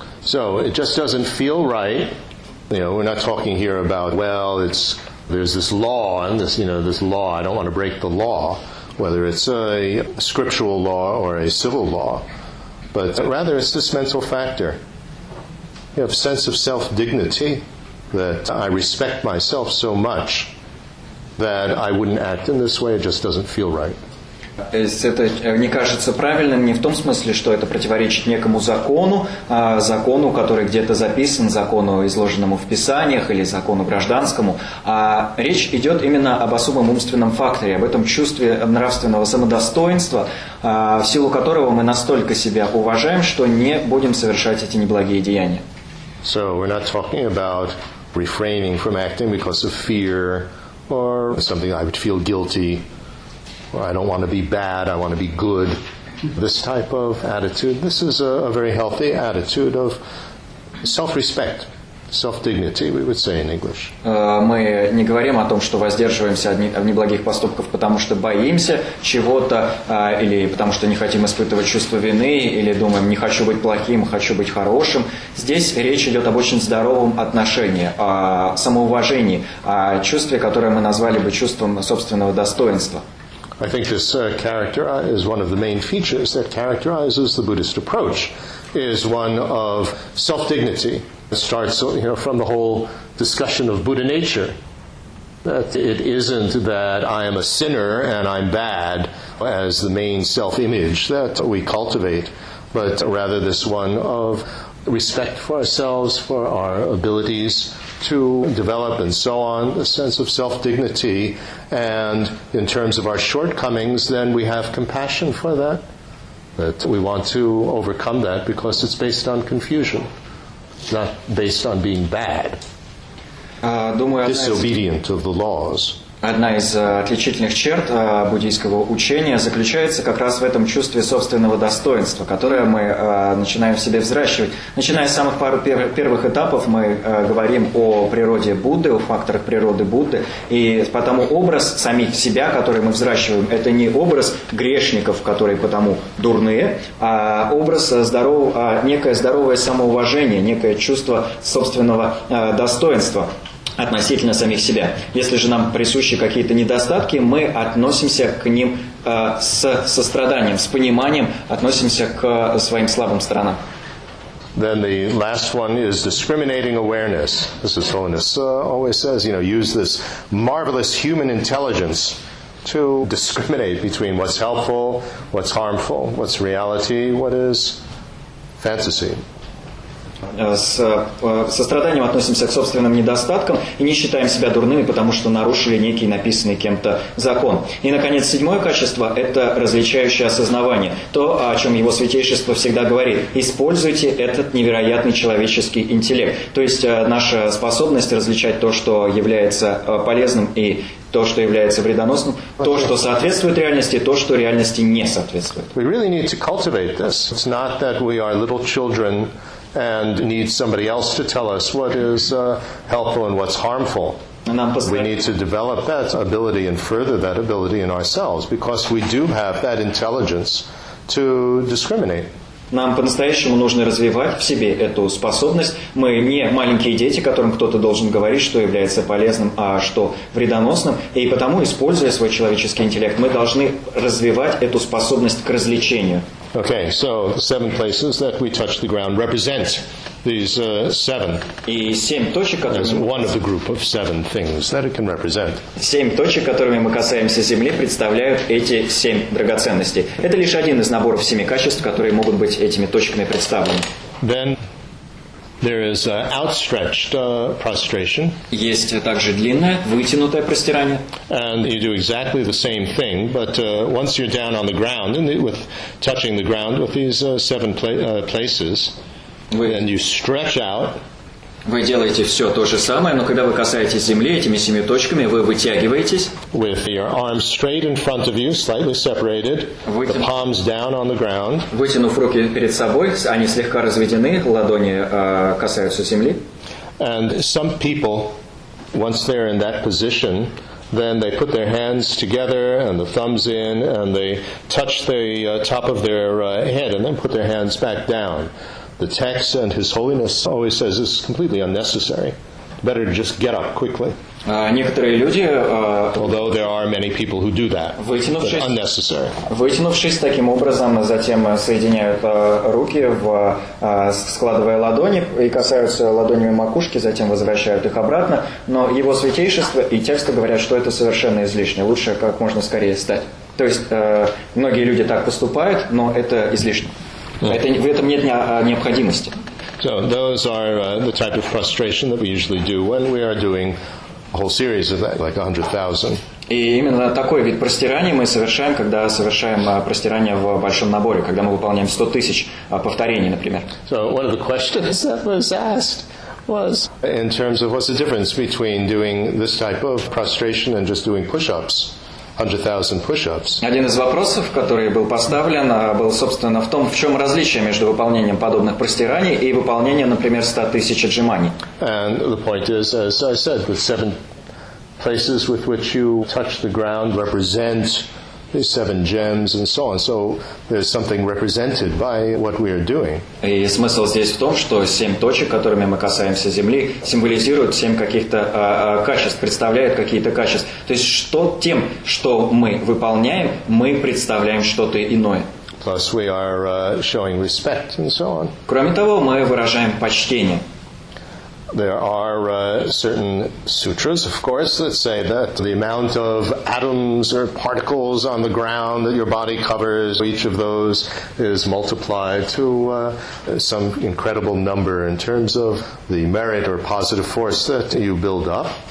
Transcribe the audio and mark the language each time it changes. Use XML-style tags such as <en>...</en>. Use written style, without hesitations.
<en>So, it just doesn't feel right. You know, we're not talking here about, well, it's there's this law, and this, you know, this law, I don't want to break the law, whether it's a scriptural law or a civil law, but rather it's this mental factor. You have a sense of self-dignity, that I respect myself so much that I wouldn't act in this way, it just doesn't feel right.</en> <ru>То есть это не кажется правильным не в том смысле, что это противоречит некому закону, а закону, который где-то записан, закону, изложенному в писаниях или закону гражданскому, а речь идет именно об особом умственном факторе, об этом чувстве нравственного самодостоинства, в силу которого мы настолько себя уважаем, что не будем совершать эти неблагие деяния.</ru> <en>So we're not talking about refraining from acting because of fear or something I would feel guilty. I don't want to be bad, I want to be good. This type of attitude, this is a very healthy attitude of self-respect, self-dignity, we would say in English.</en> <ru>Мы не говорим о том, что воздерживаемся от неблагих поступков, потому что боимся чего-то, или потому что не хотим испытывать чувство вины, или думаем, не хочу быть плохим, хочу быть хорошим. Здесь речь идет об очень здоровом отношении, о самоуважении, о чувстве, которое мы назвали бы чувством собственного достоинства.</ru> <en>I think this character is one of the main features that characterizes the Buddhist approach, is one of self-dignity. It starts, you know, from the whole discussion of Buddha nature, that it isn't that I am a sinner and I'm bad as the main self-image that we cultivate, but rather this one of respect for ourselves, for our abilities to develop and so on, a sense of self-dignity, and in terms of our shortcomings, then we have compassion for that, that we want to overcome that because it's based on confusion, not based on being bad, disobedient of the laws.</en> <ru>Одна из отличительных черт буддийского учения заключается как раз в этом чувстве собственного достоинства, которое мы начинаем в себе взращивать. Начиная с самых первых этапов, мы говорим о природе Будды, о факторах природы Будды, и потому образ самих себя, который мы взращиваем, это не образ грешников, которые потому дурные, а образ некое здоровое самоуважение, некое чувство собственного достоинства относительно самих себя. Если же нам присущи какие-то недостатки, мы относимся к ним с состраданием, с пониманием, относимся к своим слабым сторонам.</ru> <en>Then the last one is discriminating awareness. This is Holiness always says, you know, use this marvelous human intelligence to discriminate between what's helpful, what's harmful, what's reality, what is fantasy.</en> <ru>С состраданием относимся к собственным недостаткам и не считаем себя дурными, потому что нарушили некий написанный кем-то закон. И, наконец, седьмое качество – это различающее осознавание. То, о чем его святейшество всегда говорит – используйте этот невероятный человеческий интеллект. То есть наша способность различать то, что является полезным, и то, что является вредоносным, то, что соответствует реальности, то, что реальности не соответствует.</ru> <en>We really need to cultivate this. It's not that we are little children and need somebody else to tell us what is helpful and what's harmful. We need to develop that ability and further that ability in ourselves, because we do have that intelligence to discriminate.</en> <ru>Нам по-настоящему нужно развивать в себе эту способность. Мы не маленькие дети, которым кто-то должен говорить, что является полезным, а что вредоносным. И потому, используя свой человеческий интеллект, мы должны развивать эту способность к различению.</ru> <en>Okay, so seven places that we touch the ground represent these seven.</en> <ru>И семь точек, которыми...</ru> <en>one of the group of seven things that it can represent.</en> <ru>Семь точек, которыми мы касаемся земли, представляют эти семь драгоценностей. Это лишь один из наборов семи качеств, которые могут быть этими точками представлены.</ru> <en>Then there is outstretched prostration.</en> <ru>Есть также длинное, вытянутое простирание.</ru> <en>And you do exactly the same thing, but once you're down on the ground, with touching the ground with these seven places, then you stretch out.</en> <ru>Вы делаете все то же самое, но когда вы касаетесь земли этими семи точками, вы вытягиваетесь.</ru> <en>With your arms straight in front of you, slightly separated, the palms down on the ground.</en> <ru>Вытянув руки перед собой, они слегка разведены, ладони касаются земли.</ru> <en>And some people, once they're in that position, then they put their hands together and the thumbs in, and they touch the top of their head, and then put their hands back down. The text and His Holiness always says this is completely unnecessary. Better to just get up quickly.</en> <ru>Некоторые люди,</ru> <en>although there are many people who do that,</en> <ru>вытянувшись,</ru> <en>but unnecessary.</en> <ru>Вытянувшись таким образом, затем соединяют руки, складывая ладони и касаются ладонями макушки, затем возвращают их обратно. Но Его Святейшество и тексты говорят, что это совершенно излишне. Лучше как можно скорее встать. То есть многие люди так поступают, но это излишне. Это, в этом нет необходимости.</ru> <en>So those are the type of prostration that we usually do when we are doing a whole series of that, like 100,000.</en> <ru>И именно такой вид простирания мы совершаем, когда совершаем простирание в большом наборе, когда мы выполняем 100,000 повторений, например.</ru> <en>So one of the questions that was asked was in terms of what's the difference between doing this type of prostration and just doing push-ups. 100,000 push-ups.</en> <ru>Один из вопросов, который был поставлен, был, собственно, в том, в чем различие между выполнением подобных простираний и выполнением, например, 100,000 отжиманий.</ru> <en>And the point is, as I said, the seven places with which you touch the ground represent these seven gems and so on. So there's something represented by what we are doing.</en> <ru>И смысл здесь в том, что семь точек, которыми мы касаемся земли, символизируют семь каких-то качеств, представляют какие-то качества. То есть что тем, что мы выполняем, мы представляем что-то иное.</ru> <en>Plus we are showing respect and so on.</en> <ru>Кроме того, мы выражаем почтение.</ru> <en>There are certain sutras, of course, that say that the amount of atoms or particles on the ground that your body covers, each of those is multiplied to some incredible number in terms of the merit or positive force that you build up.</en>